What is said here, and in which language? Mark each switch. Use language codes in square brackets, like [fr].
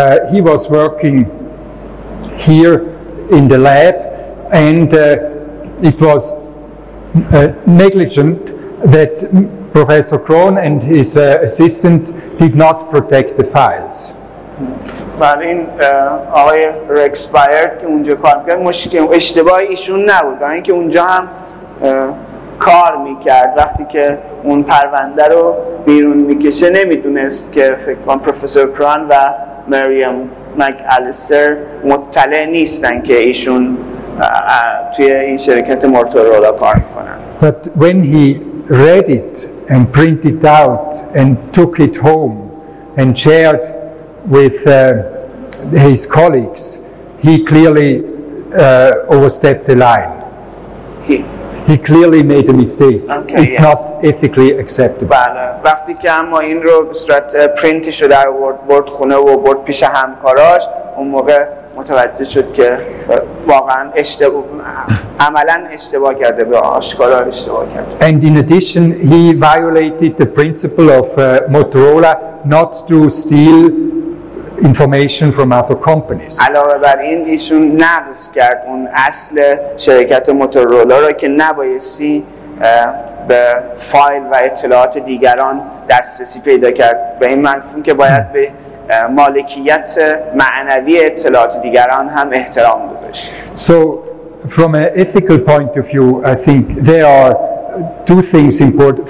[en] He was working here in the lab, and it was negligent that Professor Krohn and his assistant did not protect the files. [fa] بعد این آقای Rex Bayer که اونجا کار میکرد مشکل اشتباه ایشون نبود، برای اینکه اونجا هم کار میکرد، وقتی که اون پرونده رو بیرون میکشه نمیدونست که فکر کنم پروفسور کران و مریم مک الستر مطلع نیستن که ایشون توی این شرکت موتورولا کار میکنن. [en] But when he read it and printed out and took it home and shared with his colleagues, he clearly overstepped the line. He clearly made a mistake. Okay, it's not ethically acceptable. [fa] وقتی که اما این رو به صورت پرینتش رو در آورد برد خونه و برد پیش همکاراش، اون موقع متوجه شد که واقعا اشتباه، عملا اشتباه کرده، به آشکارا اشتباه کرده. [en] And in addition, he violated the principle of Motorola not to steal information from other companies. [fa] علاوه بر این ایشون نقض کرد اون اصل شرکت موتورولا را که نبایستی به فایل و اطلاعات دیگران دسترسی پیدا کرد، به این منظور که باید به مالکیت معنوی اطلاعات دیگران هم احترام گذاشت. [en] So from an ethical point of view, I think there are two things important.